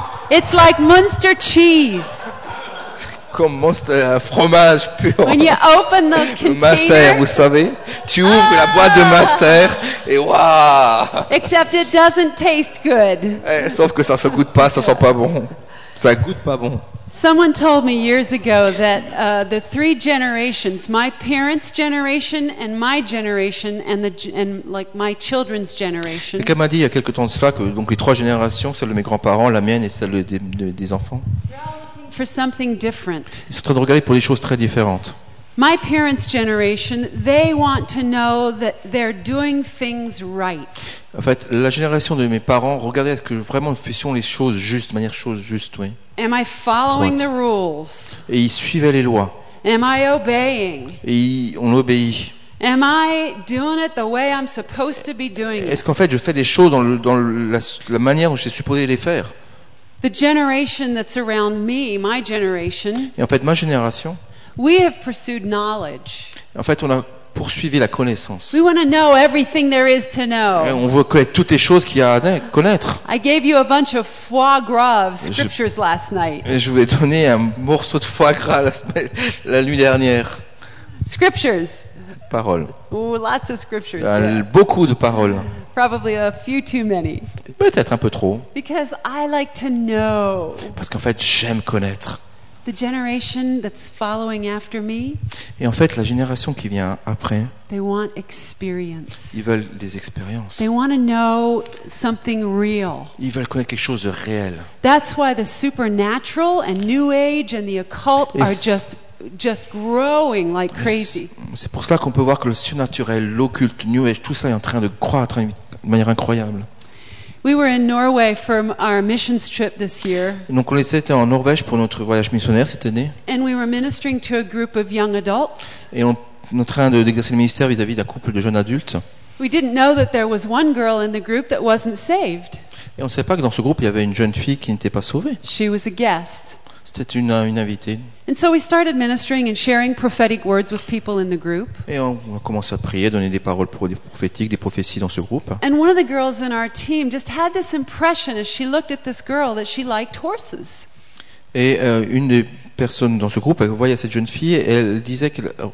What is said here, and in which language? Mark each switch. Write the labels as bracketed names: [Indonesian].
[English] It's like Munster cheese. [French] Comme Munster, un fromage pur. [English] When you open the container. [French] Munster, vous savez, tu ouvres la boîte de Munster et waouh. [English] Except it doesn't taste good. [French] Sauf que ça se goûte pas, ça sent pas bon. Ça goûte pas bon. [English] Someone told me years ago that the three generations, my parents' generation and my generation and like my children's generation. [French] Quelqu'un m'a dit il y a quelque temps de cela que donc les trois générations, celle de mes grands-parents, la mienne et celle des enfants. [English] For something different. [French] Ils sont en train de regarder pour des choses très différentes. [English] My parents' generation, they want to know that they're doing things right. [French] En fait, la génération de mes parents regardait que vraiment nous faisions les choses justes, de manière chose juste, oui. [English] Am I following the rules? [French] Et ils suivaient les lois. [English] Am I obeying? [French] Et on obéit. [English] Am I doing it the way I'm supposed to be doing it? [French] Est-ce qu'en fait je fais des choses dans la manière dont je suis supposé les faire? [English] The generation that's around me, my generation. [French] Et en fait ma génération. [English] We have pursued knowledge. [French] En fait, on a poursuivi la connaissance. [English] We want to know everything there is to know. [French] Et on veut connaître toutes les choses qu'il y a à connaître. [English] I gave you a bunch of foie gras scriptures last night. [French] Et je vous ai donné un morceau de foie gras la nuit dernière. [English] Scriptures. [French] Paroles. [English] Ooh, lots of scriptures. [French] Beaucoup de paroles. [English] Probably a few too many. [French] Peut-être un peu trop. [English] Because I like to know. [French] Parce qu'en fait, j'aime connaître. [English] The generation that's following after me. [French] Et en fait, la génération qui vient après. [English] They want experience. [French] Ils veulent des expériences. [English] They want to know something real. [French] Ils veulent connaître quelque chose de réel. [English] That's why the supernatural and New Age and the occult are just growing like crazy. [French] C'est pour cela qu'on peut voir que le surnaturel, l'occulte, New Age, tout ça est en train de croître de manière incroyable. [English] We were in Norway for our missions trip this year. [French] Donc on était en Norvège pour notre voyage missionnaire cette année. [English] And we were ministering to a group of young adults. [French] Et on était en train d'exercer le ministère vis-à-vis d'un couple de jeunes adultes. [English] We didn't know that there was one girl in the group that wasn't saved. [French] Et on ne savait pas que dans ce groupe il y avait une jeune fille qui n'était pas sauvée. [English] She was a guest. [French] C'était une invitée. [English] And so we started ministering and sharing prophetic words with people in the group. [French] Et on a commencé à prier, donner des paroles prophétiques, des prophéties dans ce groupe. [English] And one of the girls in our team just had this impression as she looked at this girl that she liked horses. [French] Et une des personnes dans ce groupe, elle voyait cette jeune fille et elle disait qu'elle